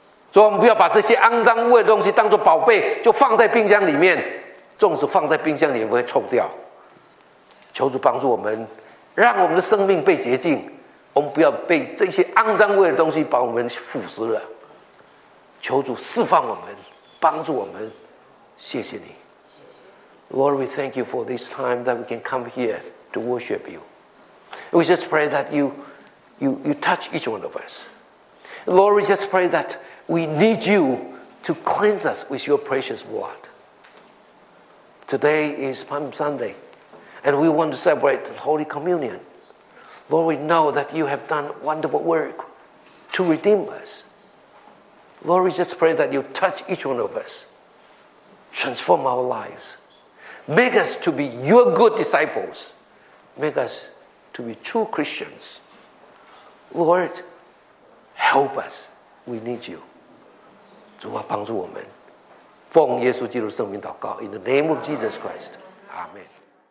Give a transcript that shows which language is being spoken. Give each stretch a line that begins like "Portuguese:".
Chinese: 所以我们不要把这些肮脏污秽的东西当作宝贝就放在冰箱里面，纵使放在冰箱里面也不会臭掉。求主帮助我们，让我们的生命被洁净，我们不要被这些肮脏污秽的东西把我们腐蚀了。求主释放我们，帮助我们，谢谢你。
English: Lord, we thank you for this time that we can come here to worship you. We just pray that you touch each one of us. Lord, we just pray that we need you to cleanse us with your precious blood. Today is Palm Sunday, and we want to celebrate the Holy Communion. Lord, we know that you have done wonderful work to redeem us. Lord, we just pray that you touch each one of us, transform our lives, make us to be your good disciples, make us to be true Christians. Lord, help us. We need you.
Chinese: 主啊，帮助我们。奉耶稣基督的圣名祷告。
English: In the name of Jesus Christ. Amen.